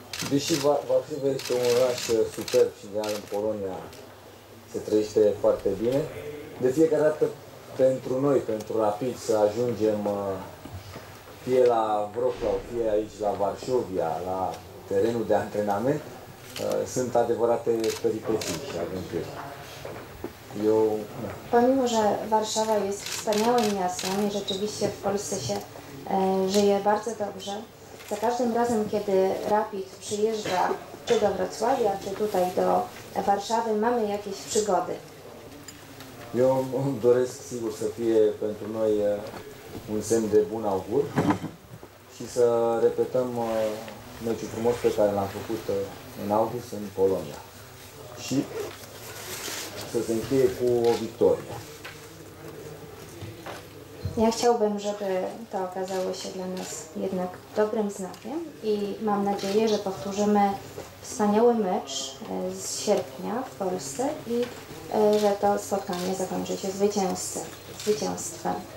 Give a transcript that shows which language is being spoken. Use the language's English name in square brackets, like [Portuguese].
[Romanian] Deși va fi este un oraș superb și ideal, în Polonia se trăiește foarte bine. De fiecare dată, pentru noi, pentru Rapid, să ajungem fie la Wrocław, fie aici la Varșovia, la terenul de antrenament, sunt adevărate peripeții și aventuri. [Polish] Pomimo, że Warszawa jest wspaniałym miastem i rzeczywiście w Polsce się żyje bardzo dobrze, za każdym razem, kiedy Rapid przyjeżdża czy do Wrocławia, czy tutaj do Warszawy, mamy jakieś przygody. [Romanian] Ja doresc sigur să fie pentru noi un semn de bun augur și să repetăm meciul frumos pe care l-am făcut în august în Polonia. Și să se încheie cu o victorie. [Polish] Ja chciałbym, żeby to okazało się dla nas jednak dobrym znakiem i mam nadzieję, że powtórzymy wspaniały mecz z sierpnia w Polsce i że to spotkanie zakończy się zwycięstwem.